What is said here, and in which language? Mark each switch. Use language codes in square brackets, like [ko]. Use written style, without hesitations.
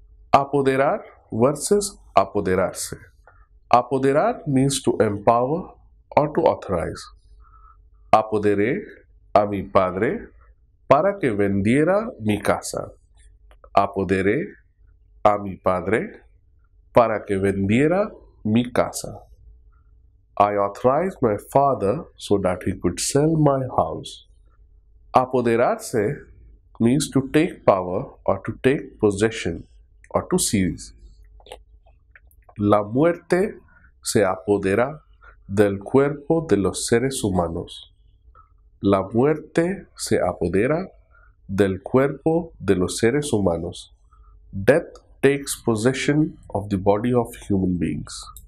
[en] Apoderar versus apoderarse. Apoderar means to empower or to authorize. [es] Apoderé a mi padre para que vendiera mi casa. Apoderé a mi padre para que vendiera mi casa. [en] I authorized my father so that he could sell my house. Apoderarse means to take power or to take possession or to seize. [es] La muerte se apodera del cuerpo de los seres humanos. La muerte se apodera del cuerpo de los seres humanos. [en] Death takes possession of the body of human beings.